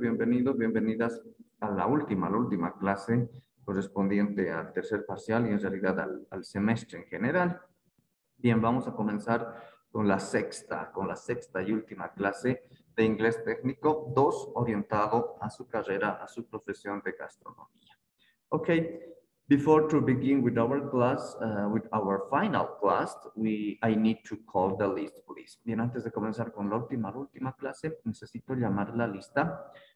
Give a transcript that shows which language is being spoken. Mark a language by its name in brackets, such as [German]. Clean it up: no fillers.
[Spanish] Bienvenidos, bienvenidas a la última clase correspondiente al tercer parcial y en realidad al semestre en general. Bien, vamos a comenzar con la sexta y última clase de inglés técnico 2 orientado a su carrera, a su profesión de gastronomía. [English] Ok, before to begin with our class, with our final class, I need to call the list, please. [Spanish] Bien, antes de comenzar con la última clase, necesito llamar la lista.